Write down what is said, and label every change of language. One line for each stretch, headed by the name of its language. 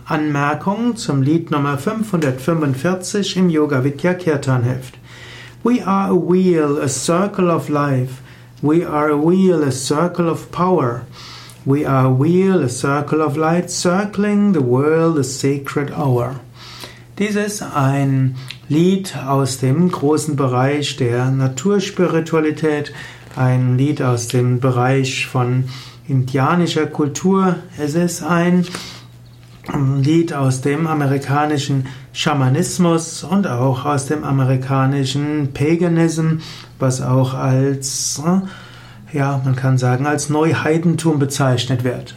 German: Anmerkung zum Lied Nummer 545 im Yoga Vidya Kirtan Heft.
English: We are a wheel, a circle of life. We are a wheel, a circle of power. We are a wheel, a circle of light, circling the world, a sacred hour.
German: Dies ist ein Lied aus dem großen Bereich der Naturspiritualität, ein Lied aus dem Bereich von indianischer Kultur. Es ist ein Lied aus dem amerikanischen Schamanismus und auch aus dem amerikanischen Paganism, was auch als, ja, man kann sagen, als Neuheidentum bezeichnet wird.